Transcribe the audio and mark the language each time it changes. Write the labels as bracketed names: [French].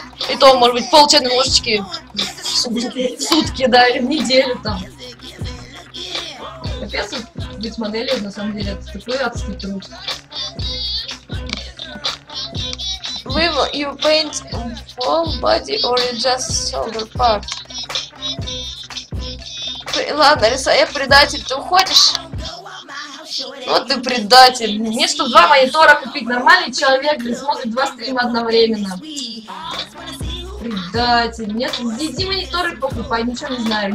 [Russian] И то, может быть, пол чайной ложечки больше будет в сутки, да, или в неделю там. Капец, быть моделью, на самом деле, это такой адский труд. [English] Will you paint full body or just shoulder part? [Russian] Ладно, Лиса, я предатель, ты уходишь? Вот ты предатель. Мне что, два монитора купить? Нормальный человек смотрит два стрима одновременно. Предатель. Нет, иди мониторы покупай, ничего не знаю.